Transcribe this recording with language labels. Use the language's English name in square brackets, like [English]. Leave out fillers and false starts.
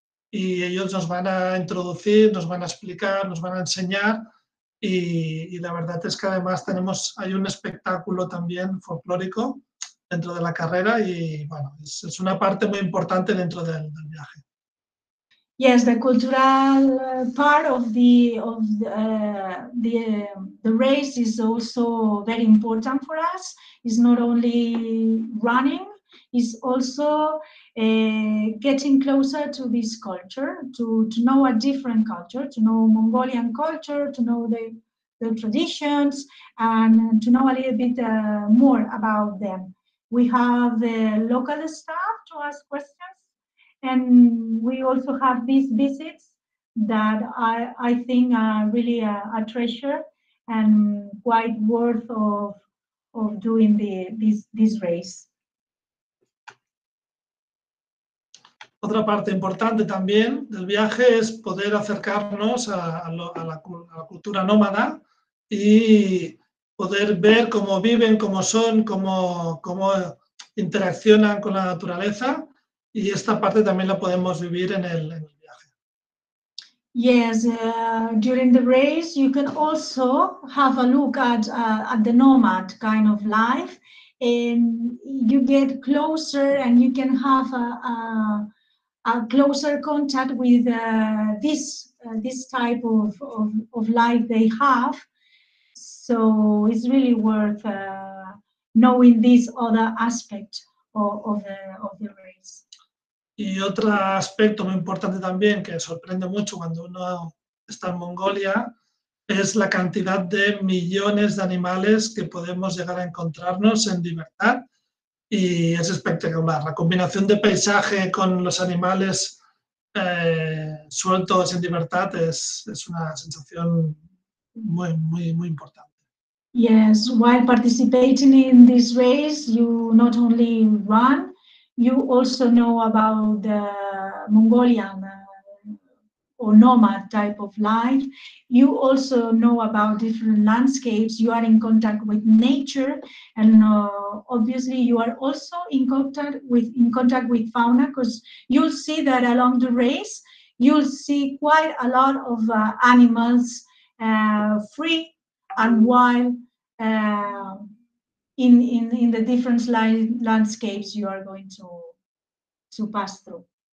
[Spanish] Y ellos nos van a introducir, nos van a explicar, nos van a enseñar, y la verdad es que además hay un espectáculo también folclórico dentro de la carrera, y bueno, es una parte muy importante dentro del viaje. [English] Yes, the cultural part of the race is also very important for us. It's not only running, is also getting closer to this culture, to know a different culture, to know Mongolian culture, to know the traditions, and to know a little bit more about them. We have the local staff to ask questions, and we also have these visits that I think are really a treasure and quite worth of doing this race. [Spanish] Otra parte importante también del viaje es poder acercarnos a la cultura nómada y poder ver cómo viven, cómo son, cómo interaccionan con la naturaleza, y esta parte también la podemos vivir en el viaje. [English] Yes, during the race you can also have a look at the nomad kind of life, and you get closer and you can have a closer contact with this type of life they have, So it's really worth knowing this other aspect of the race. [Spanish] Y otro aspecto muy importante también que sorprende mucho cuando uno está en Mongolia es la cantidad de millones de animales que podemos llegar a encontrarnos en libertad. Y es espectacular. La combinación de paisaje con los animales sueltos en libertad es una sensación muy, muy, muy importante. [English] Yes, while participating in this race, you not only run, you also know about the Mongolian or nomad type of life. You also know about different landscapes. You are in contact with nature, and obviously you are also in contact with fauna, because you'll see that along the race, you'll see quite a lot of animals free and wild in the different landscapes you are going to pass through.